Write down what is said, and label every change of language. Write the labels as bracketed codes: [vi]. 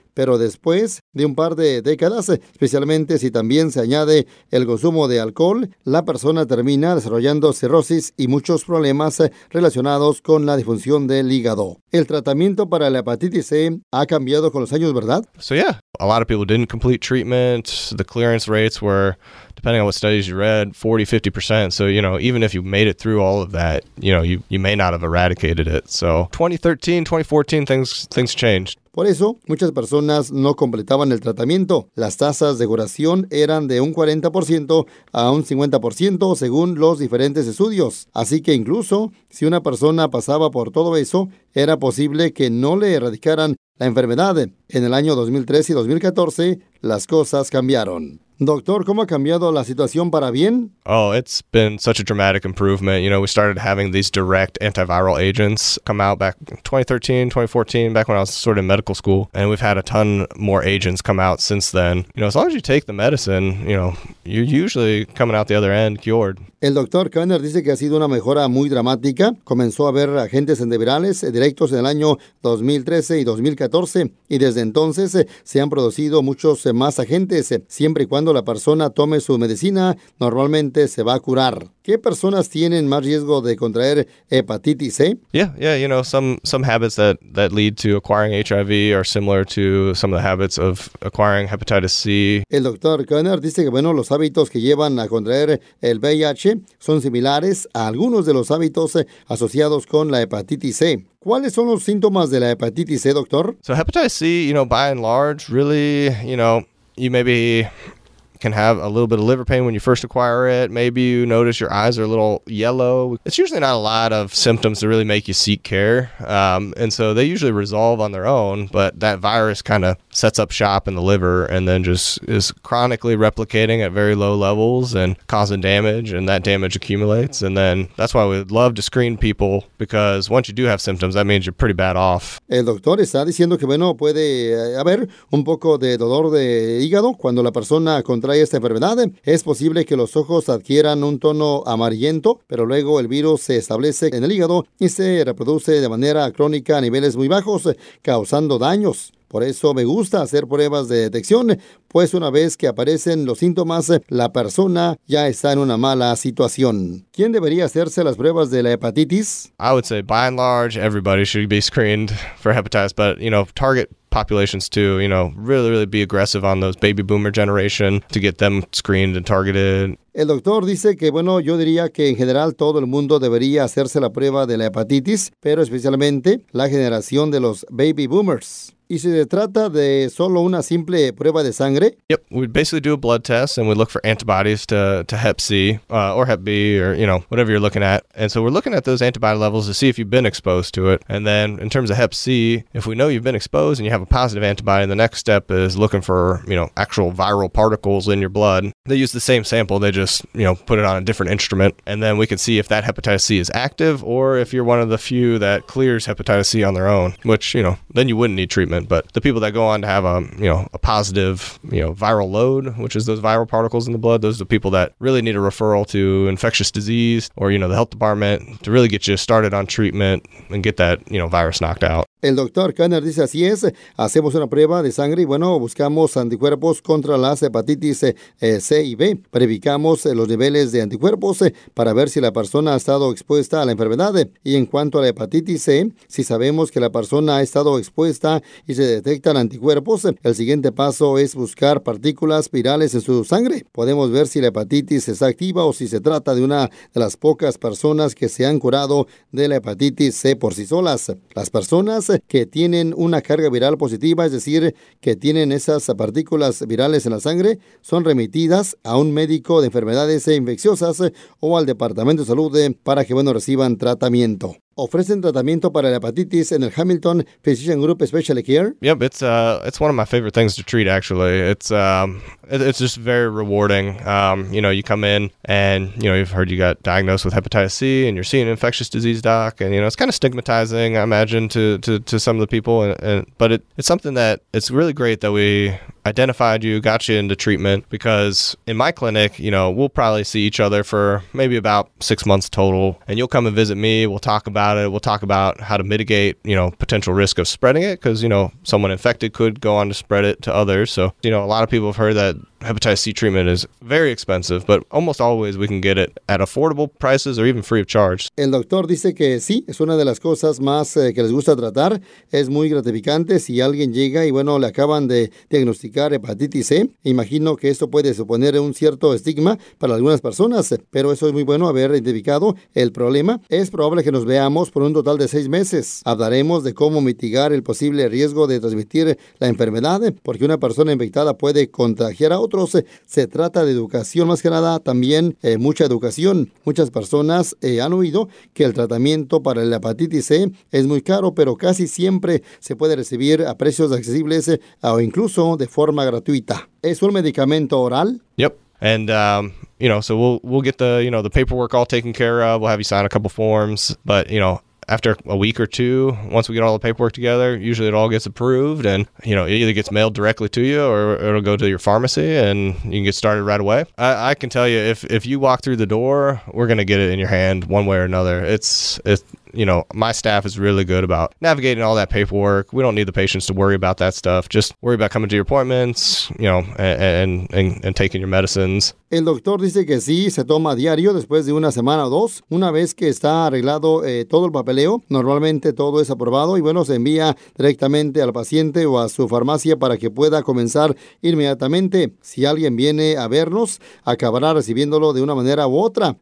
[es] Pero después de un par de décadas, especialmente si también se añade el consumo de alcohol, la persona termina desarrollando cirrosis y muchos problemas relacionados con la disfunción del hígado. El tratamiento para la hepatitis C ha cambiado con los años, ¿verdad? [en] So yeah, a lot of people didn't complete treatment. The clearance rates were, depending on what studies you read, 40-50%. So, you know, even if you made it through all of that, you know, you may not have eradicated it. So 2013, 2014, things changed. [es] Por eso, muchas personas no completaban el tratamiento. Las tasas de curación eran de un 40% a un 50% según los diferentes estudios. Así que incluso si una persona pasaba por todo eso, era posible que no le erradicaran la enfermedad. En el año 2013 y 2014, las cosas cambiaron. Doctor, ¿cómo ha cambiado la situación para bien? [en] Oh, it's been such a dramatic improvement. You know, we started having these direct antiviral agents come out back in 2013, 2014, back when I was sort of in medical school. And we've had a ton more agents come out since then. You know, as long as you take the medicine, you know, you're usually coming out the other end cured. [es] El doctor Kanner dice que ha sido una mejora muy dramática. Comenzó a ver agentes antivirales directos en el año 2013 y 2014. Y desde entonces se han producido muchos más agentes. Siempre y cuando la persona tome su medicina, normalmente se va a curar. ¿Qué personas tienen más riesgo de contraer hepatitis C? [en] Yeah, you know, some habits that lead to acquiring HIV are similar to some of the habits of acquiring hepatitis C. [es] El doctor Kanner dice que, bueno, los hábitos que llevan a contraer el VIH son similares a algunos de los hábitos asociados con la hepatitis C. ¿Cuáles son los síntomas de la hepatitis C, doctor? [en] So hepatitis C, you know, by and large, really, you know, you maybe can have a little bit of liver pain when you first acquire it. Maybe you notice your eyes are a little yellow. It's usually not a lot of symptoms to really make you seek care. And so they usually resolve on their own, but that virus kind of sets up shop in the liver and then just is chronically replicating at very low levels and causing damage, and that damage accumulates. And then that's why we love to screen people, because once you do have symptoms, that means you're pretty bad off. [es] El doctor está diciendo que, bueno, puede haber un poco de dolor de hígado cuando la persona trae esta enfermedad. Es posible que los ojos adquieran un tono amarillento, pero luego el virus se establece en el hígado y se reproduce de manera crónica a niveles muy bajos, causando daños. Por eso me gusta hacer pruebas de detección, pues una vez que aparecen los síntomas, la persona ya está en una mala situación. ¿Quién debería hacerse las pruebas de la hepatitis? [en] I would say, by and large, everybody should be screened for hepatitis, but, you know, target populations too, you know, really, really be aggressive on those baby boomer generation to get them screened and targeted. [es] El doctor dice que, bueno, yo diría que en general todo el mundo debería hacerse la prueba de la hepatitis, pero especialmente la generación de los baby boomers. ¿Y si se trata de solo una simple prueba de sangre? [en] Yep, we basically do a blood test and we look for antibodies to Hep C or Hep B or, you know, whatever you're looking at. And so we're looking at those antibody levels to see if you've been exposed to it. And then in terms of Hep C, if we know you've been exposed and you have a positive antibody, the next step is looking for, you know, actual viral particles in your blood. They use the same sample, they just, you know, put it on a different instrument. And then we can see if that hepatitis C is active or if you're one of the few that clears hepatitis C on their own, which, you know, then you wouldn't need treatment. But the people that go on to have a, you know, a positive, you know, viral load, which is those viral particles in the blood, those are the people that really need a referral to infectious disease or, you know, the health department to really get you started on treatment and get that, you know, virus knocked out. [es] El doctor Kanner dice, así es, hacemos una prueba de sangre y, bueno, buscamos anticuerpos contra las hepatitis C y B. Verificamos los niveles de anticuerpos para ver si la persona ha estado expuesta a la enfermedad. Y en cuanto a la hepatitis C, si sabemos que la persona ha estado expuesta y se detectan anticuerpos, el siguiente paso es buscar partículas virales en su sangre. Podemos ver si la hepatitis está activa o si se trata de una de las pocas personas que se han curado de la hepatitis C por sí solas. Las personas que tienen una carga viral positiva, es decir, que tienen esas partículas virales en la sangre, son remitidas a un médico de enfermedades infecciosas o al Departamento de Salud para que, bueno, reciban tratamiento. ¿Ofrecen tratamiento para la hepatitis en el Hamilton Physician Group Specialty Care? [en] Yep, it's one of my favorite things to treat, actually. It's just very rewarding. You know, you come in and, you know, you've heard you got diagnosed with hepatitis C and you're seeing an infectious disease doc, and, you know, it's kind of stigmatizing, I imagine, to some of the people. But it's something that it's really great that we identified you, got you into treatment, because in my clinic, you know, we'll probably see each other for maybe about 6 months total, and you'll come and visit me, we'll talk about it, we'll talk about how to mitigate, you know, potential risk of spreading it, because, you know, someone infected could go on to spread it to others. So, you know, a lot of people have heard that hepatitis C treatment is very expensive, but almost always we can get it at affordable prices or even free of charge. [es] El doctor dice que sí, es una de las cosas más que les gusta tratar. Es muy gratificante si alguien llega y bueno, le acaban de diagnosticar hepatitis C. Imagino que esto puede suponer un cierto estigma para algunas personas, pero eso es muy bueno haber identificado el problema. Es probable que nos veamos por un total de 6 meses. Hablaremos de cómo mitigar el posible riesgo de transmitir la enfermedad, porque una persona infectada puede contagiar a otros. Se trata de educación más que nada, también mucha educación. Muchas personas han oído que el tratamiento para la hepatitis C es muy caro, pero casi siempre se puede recibir a precios accesibles o incluso de forma gratuita. ¿Es un medicamento oral? [en] Yep. And, you know, so we'll get the, you know, the paperwork all taken care of. We'll have you sign a couple forms, but, you know, after a week or two, once we get all the paperwork together, usually it all gets approved and, you know, it either gets mailed directly to you or it'll go to your pharmacy and you can get started right away. I can tell you if you walk through the door, we're going to get it in your hand one way or another. It's, you know, my staff is really good about navigating all that paperwork. We don't need the patients to worry about that stuff. Just worry about coming to your appointments, you know, and taking your medicines. [es] El doctor dice que sí, se toma a diario después de una semana o dos. Una vez que está arreglado todo el papeleo, normalmente todo es aprobado y bueno, se envía directamente al paciente o a su farmacia para que pueda comenzar inmediatamente. Si alguien viene a vernos, acabará recibiéndolo de una manera u otra.